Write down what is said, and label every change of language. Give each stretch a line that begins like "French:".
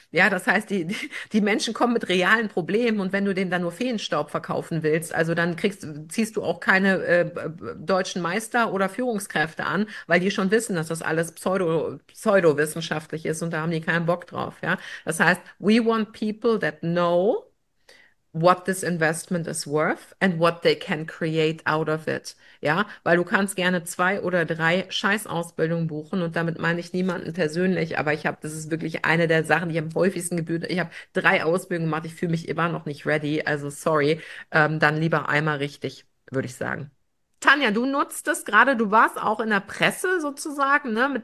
German: Ja, das heißt, die Menschen kommen mit realen Problemen und wenn du denen dann nur Feenstaub verkaufen willst, also dann ziehst du auch keine deutschen Meister oder Führungskräfte an, weil die schon wissen, dass das alles Pseudo wissenschaftlich ist und da haben die keinen Bock drauf, ja. Das heißt,
English: we want people that know what this investment is worth and what they can create out of it.
German: Ja, weil du kannst gerne zwei oder drei Scheißausbildungen buchen und damit meine ich niemanden persönlich, aber das ist wirklich eine der Sachen, die am häufigsten gebührt. Ich habe drei Ausbildungen gemacht, ich fühle mich immer noch nicht ready, also sorry, dann lieber einmal richtig, würde ich sagen. Tanja, du nutzt es gerade, du warst auch in der Presse sozusagen, ne?